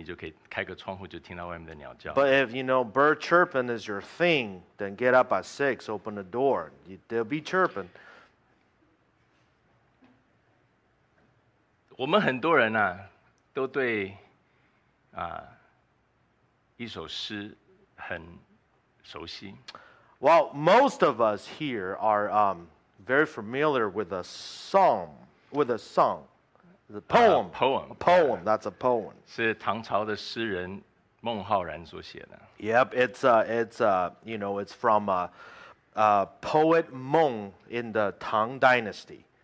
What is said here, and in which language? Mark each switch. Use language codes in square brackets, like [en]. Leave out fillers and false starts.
[zh] 你如果想要听鸟叫，你早上六点以前起床，你开个门，你就可以开个窗户，就听到外面的鸟叫。 [en] But if you know bird chirping is your thing, then get up at six, open the door, they'll be chirping. [zh] 我们很多人呢，都对一首诗很熟悉。 [en] Well, most of us here are very familiar with a psalm, with a song, the poem. A poem. That's a poem. [zh] 是唐朝的诗人孟浩然所写的。 [en] Yep, it's from a poet Meng in the Tang Dynasty.